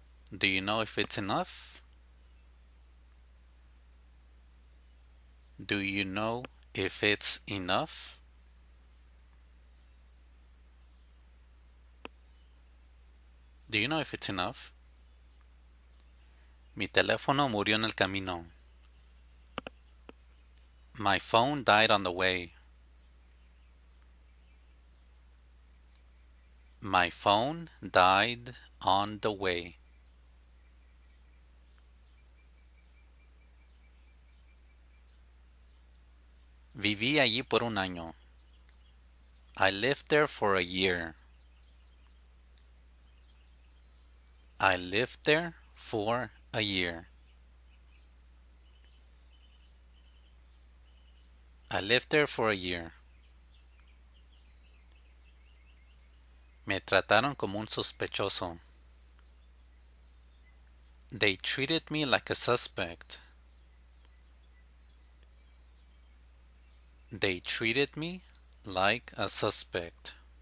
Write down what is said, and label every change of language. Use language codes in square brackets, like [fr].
[en] Do you know if it's enough? Do you know if it's enough? Do you know if it's enough? [es] Mi teléfono murió en el camino. [en] My phone died on the way. My phone died on the way. [es] Viví allí por un año. [en] I lived there for a year. I lived there for a year. I lived there for a year. [es] Me trataron como un sospechoso. [en] They treated me like a suspect. They treated me like a suspect.